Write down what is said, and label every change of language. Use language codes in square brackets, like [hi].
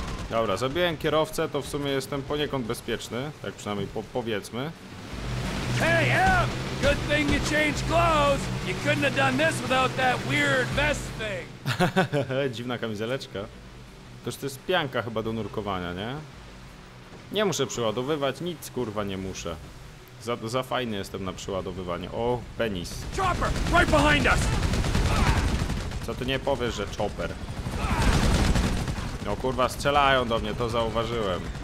[pl] Dobra, zabiłem kierowcę, to w sumie jestem poniekąd bezpieczny. Tak przynajmniej powiedzmy. [en] Hey, Em! Good thing you changed clothes! You couldn't have done this without that weird vest thing! [pl] Dziwna kamizeleczka. Toż to jest pianka chyba do nurkowania, nie? Nie muszę przeładowywać, nic kurwa nie muszę. Za fajny jestem na przeładowywanie. O, penis. [en] Chopper, right behind us! [pl] Co ty nie powiesz, że chopper? No kurwa, strzelają do mnie, to zauważyłem.